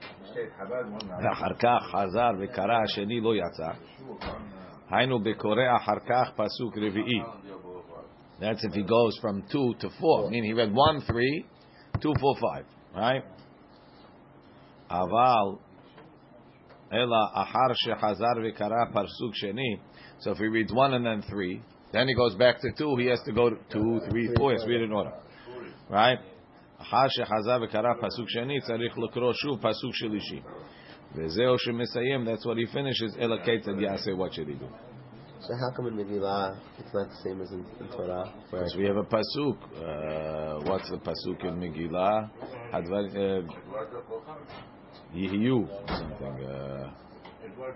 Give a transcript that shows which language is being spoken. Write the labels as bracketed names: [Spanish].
[Hebrew] אחר כך חזר וקרא השני לא יצא היינו בקורא אחר כך פסוק רביעי. [English] That's if he goes from 2 to 4. I mean, he read 1, 3, 2, 4, 5. Right? [Hebrew] אבל אלא אחר שחזר וקרא פסוק שני. [English] So if he reads 1 and then 3, then he goes back to 2. He has to go to 2, 3, 4. Let's read in order. Right? [Hebrew] אחר שחזר וקרא פסוק שני, צריך לקרוא שוב פסוק שלישי. וזהו שמסיים, [English] that's what he finishes, [Hebrew] אלא כיצד יעשה [English] what should he do. So how come in Megillah, it's not the same as in Torah? Because we have a pasuk. What's the pasuk in Megillah? Hadvar, Yihiyu, or something.